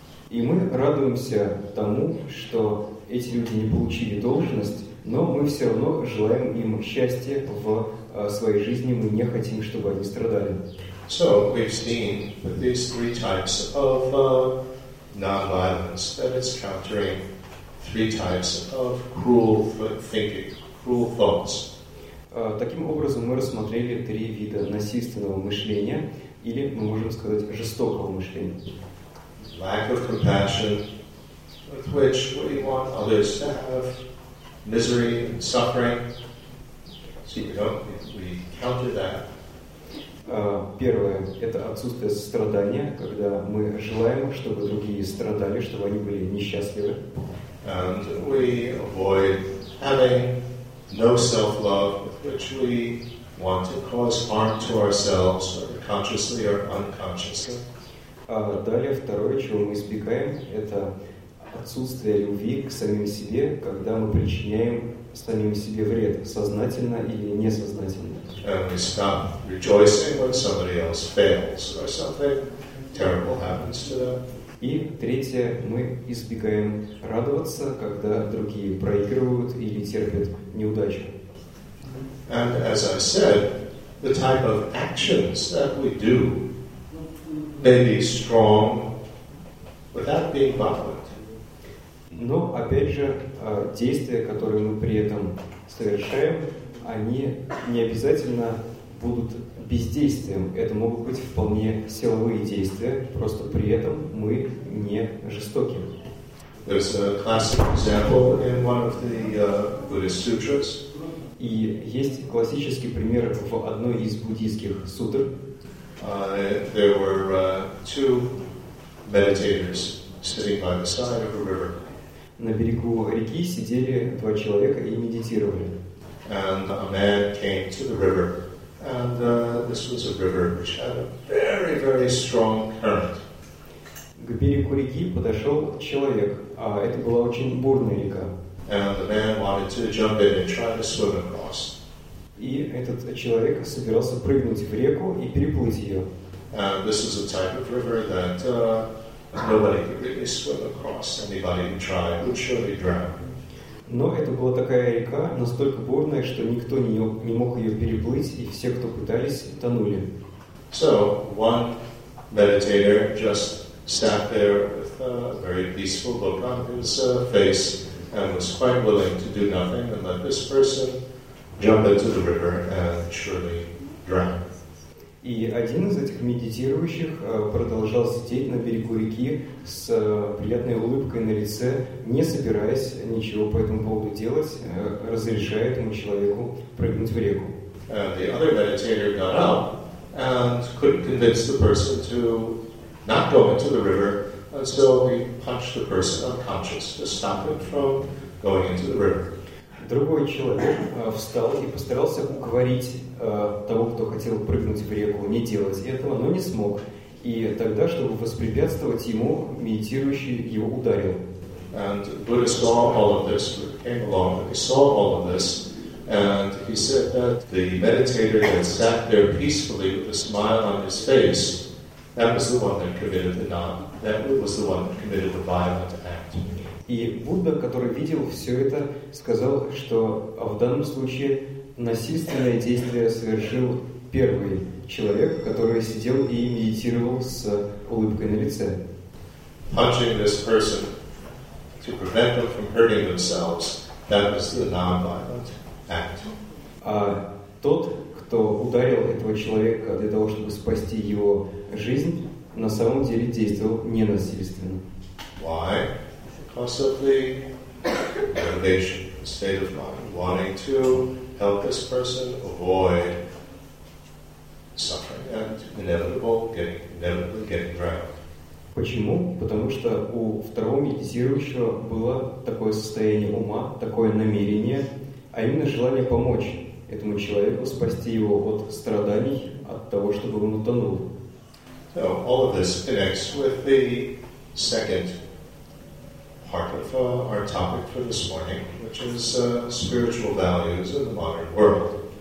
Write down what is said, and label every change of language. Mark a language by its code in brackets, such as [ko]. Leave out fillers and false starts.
[ru] И мы радуемся тому, что эти люди не получили должность, но мы все равно желаем им счастья в своей жизни, мы не хотим, чтобы они страдали. [en] So we've seen that these three types of non-violence, that it's countering three types of cruel thinking, cruel thoughts. [ru] Таким образом, мы рассмотрели три вида насильственного мышления, или мы можем сказать жестокого мышления. [en] Lack of compassion, with which we want others to have misery and suffering. See, we counter that. [ru] Первое – это отсутствие страдания, когда мы желаем, чтобы другие страдали, чтобы они были несчастливы. [en] And we avoid having no self-love, with which we want to cause harm to ourselves, whether consciously or unconsciously. [ru] А далее второе, чего мы избегаем, это отсутствие любви к самим себе, когда мы причиняем самим себе вред, сознательно или несознательно. [en] And we stop rejoicing when somebody else fails or something terrible happens to them. [ru] И третье, мы избегаем радоваться, когда другие проигрывают или терпят неудачу. [en] And as I said, the type of actions that we do may be strong without being violent. [ru] Но, опять же, действия, которые мы при этом совершаем, они не обязательно будут бездействием. Это могут быть вполне силовые действия, просто при этом мы не жестоки. [en] There's a classic example in one of the Buddhist sutras. [ru] И есть классический пример в одной из буддийских сутр. [en] There were two meditators sitting by the side of a river. [ru] На берегу реки сидели два человека и медитировали. [en] And a man came to the river. And this was a river which had a very, very strong current. [ru] К берегу реки подошел человек, а это была очень бурная река. [en] And the man wanted to jump in and try to swim across. [ru] И этот человек собирался прыгнуть в реку и переплыть ее. [en] And this is a type of river that nobody could really swim across. Anybody who tried would surely drown. [ru] Но это была такая река, настолько бурная, что никто не мог ее переплыть, и все, кто пытались, тонули. [en] So one meditator just sat there with a very peaceful look on his face and was quite willing to do nothing and let this person jump into the river and surely drown. [ru] И один из этих медитирующих продолжал сидеть на берегу реки с приятной улыбкой на лице, не собираясь ничего по этому поводу делать, разрешая этому человеку прыгнуть в реку. [en] And the other meditator got up and couldn't convince the person to not go into the river, and so he punched the person unconscious to stop him from going into the river. [ru] Другой человек встал и постарался уговорить того, кто хотел прыгнуть в реку, не делать этого, но не смог. И тогда, чтобы воспрепятствовать ему, медитирующий его ударил. [en] And Buddha saw all of this, came along, and he saw all of this, and he said that the meditator that sat there peacefully with a smile on his face That was the one that committed the non. That was the one that committed the violent act. [ru] И Будда, который видел все это, сказал, что в данном случае насильственное действие совершил первый человек, который сидел и медитировал с улыбкой на лице. [en] Punching this person to prevent them from hurting themselves, that was the non-violent act. [ru] А тот, кто ударил этого человека для того, чтобы спасти его жизнь, на самом деле действовал ненасильственно. [en] Why? Because of the motivation, the state of mind, wanting to help this person avoid suffering and inevitably getting drowned. [ru] Почему? Потому что у второго медитирующего было такое состояние ума, такое намерение, а именно желание помочь этому человеку спасти его от страданий, от того, чтобы он утонул. [en] So all of this connects with the second part of our topic for this morning, which is spiritual values in the modern world.